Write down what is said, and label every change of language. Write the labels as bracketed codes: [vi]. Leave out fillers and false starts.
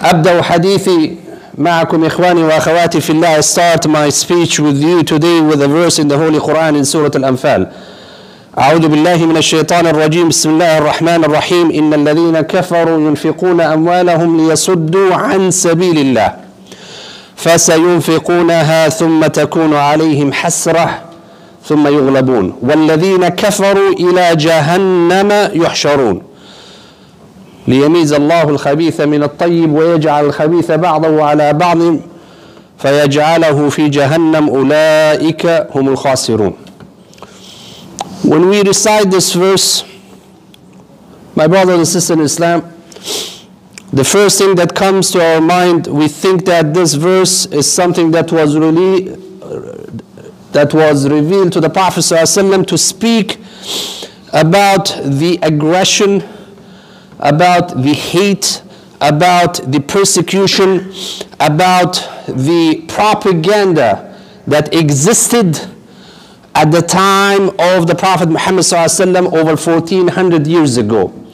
[ar] أبدأ حديثي معكم إخواني وأخواتي في الله. [en] I start my speech with you today with a verse in the Holy Quran in Surah Al-Anfal. [ar] أعوذ بالله من الشيطان الرجيم. بسم الله الرحمن الرحيم. إن الذين كفروا ينفقون أموالهم ليصدوا عن سبيل الله فسينفقونها ثم تكون عليهم حسرة ثم يغلبون والذين كفروا إلى جهنم يحشرون ليميز الله الخبيث من الطيب ويجعل الخبيث بعضه على بعض فيجعله في جهنم أولئك هم الخاسرون. [en] When we recite this verse, my brother and sister in Islam, the first thing that comes to our mind, we think that this verse is something that was really revealed to the Prophet ﷺ to speak about the aggression, about the hate, about the persecution, about the propaganda that existed at the time of the Prophet Muhammad sallallahu alaihi wasallam over 1400 years ago.